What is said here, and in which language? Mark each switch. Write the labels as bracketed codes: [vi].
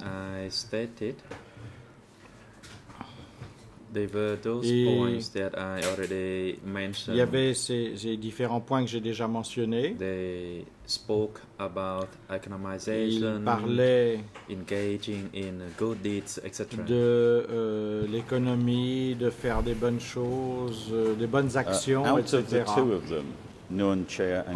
[en] As I stated, there were those points that I already mentioned. [fr] Il y avait ces différents points que j'ai déjà mentionnés. [en] They spoke about economization, [fr] ils parlaient [en] engaging in good deeds, etc. [fr] De l'économie, de faire des bonnes choses, des bonnes actions, etc. [en] Out of the two of them, Nunchea and Kyo-Sampan.